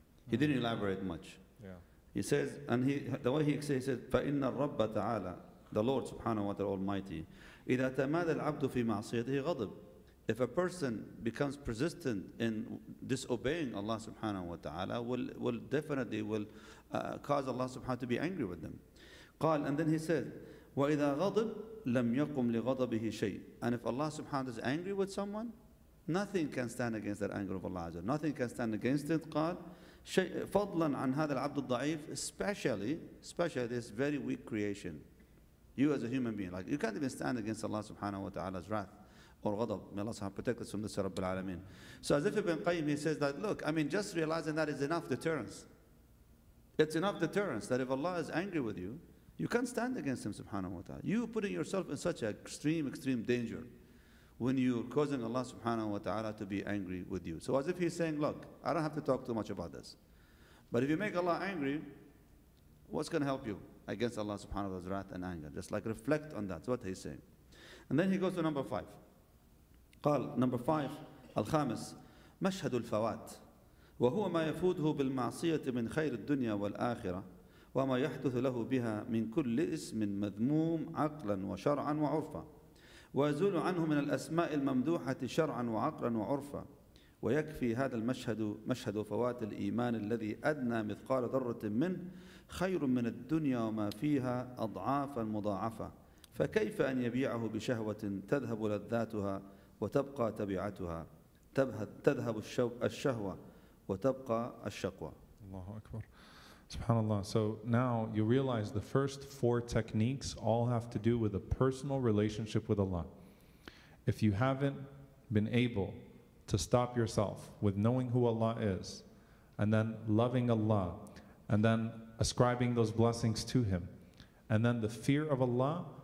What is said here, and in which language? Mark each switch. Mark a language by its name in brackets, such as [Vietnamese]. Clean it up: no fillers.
[English] He didn't elaborate much. He says, and he said, [Arabic] فَإِنَّ الرَّبَّ تَعَالَى, [English] the Lord subhanahu wa ta'ala almighty, [Arabic] إِذَا تَمَادَ الْعَبْدُ فِي مَعْصِيَتِهِ غَضَبِ. [English] If a person becomes persistent in disobeying Allah subhanahu wa ta'ala, will definitely will cause Allah subhanahu to be angry with them. [Arabic] قال, [English] and then he said, [Arabic] وَإِذَا غَضِبْ لَمْ يَقُمْ لِغَضَبِهِ شَيْءٍ. [English] And if Allah subhanahu is angry with someone, nothing can stand against that anger of Allah. Nothing can stand against it. [Arabic] قال, فَضْلًا عَنْ هَذَا الْعَبْدُ الضَّعِيفِ. [English] Especially this very weak creation. You as a human being, like, you can't even stand against Allah subhanahu wa ta'ala's wrath. Or ghadab, may Allah subhanahu protect us from the Rabbil Alameen. So as if Ibn Qayyim, he says that, look, I mean, just realizing that is enough deterrence. It's enough deterrence that if Allah is angry with you, you can't stand against him, subhanahu wa ta'ala. You putting yourself in such extreme, extreme danger when you're causing Allah subhanahu wa ta'ala to be angry with you. So as if he's saying, look, I don't have to talk too much about this. But if you make Allah angry, what's going to help you against Allah subhanahu wa ta'ala's wrath and anger? Just like reflect on that. That's what he's saying. And then he goes to number five. [Arabic] قال, [English] number five, [Arabic] الخامس, مشهد الفوات وهو ما يفوته بالمعصية من خير الدنيا والآخرة وما يحدث له بها من كل اسم مذموم عقلا وشرعا وعرفا ويزول عنه من الأسماء الممدوحة شرعا وعقلا وعرفا ويكفي هذا المشهد مشهد فوات الإيمان الذي أدنى مثقال ذرة منه خير من الدنيا وما فيها أضعافا مضاعفة فكيف أن يبيعه بشهوة تذهب لذاتها وتبقى تبعتها تذهب الشهوة وتبقى الشقوى. الله أكبر. Subhanallah. [English] So now you realize the first four techniques all have to do with a personal relationship with Allah. If you haven't been able to stop yourself with knowing who Allah is, and then loving Allah, and then ascribing those blessings to Him, and then the fear of Allah.